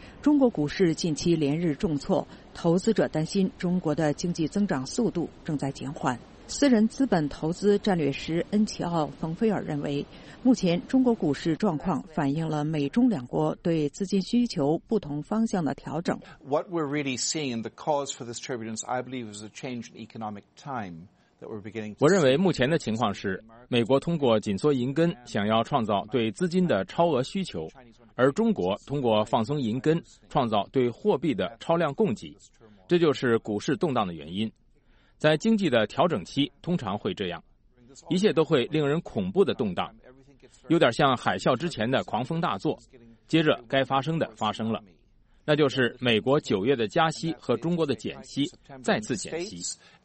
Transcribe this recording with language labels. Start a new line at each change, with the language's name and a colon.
Chinese: 中国股市近期连日重挫，投资者担心中国的经济增长速度正在减缓。私人资本投资战略师恩齐奥·冯菲尔认为，目前中国股市状况反映了美中两国对资金需求不同方向的调整。
English: What we're really seeing and the cause for this turbulence, I believe, is a change in economic time that we're beginning.
Chinese: 我认为目前的情况是，美国通过紧缩银根想要创造对资金的超额需求，而中国通过放松银根创造对货币的超量供给，这就是股市动荡的原因。在经济的调整期通常会这样，一切都会令人恐怖的动荡，有点像海啸之前的狂风大作，接着该发生的发生了，那就是美国九月的加息和中国的减息再次减息。